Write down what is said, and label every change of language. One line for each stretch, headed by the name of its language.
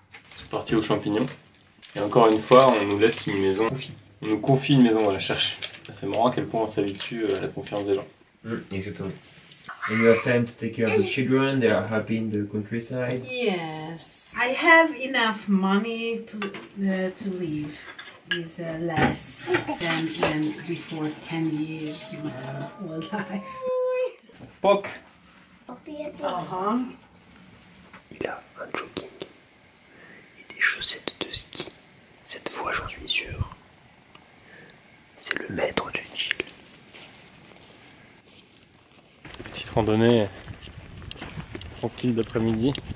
French: C'est parti aux champignons. Et encore une fois, on nous laisse une maison. On nous confie une maison à la cherche. C'est marrant à quel point on s'habitue à la confiance des gens. Mmh, exactement.
English: And you have time to take care of the children. They are happy in the countryside. Yes, I have enough money to live. Is less than before 10 years in old life. Poc.
French: Il a un jogging et des chaussettes de ski. Cette fois, j'en suis sûr. C'est le maître du chill. Petite randonnée tranquille d'après-midi.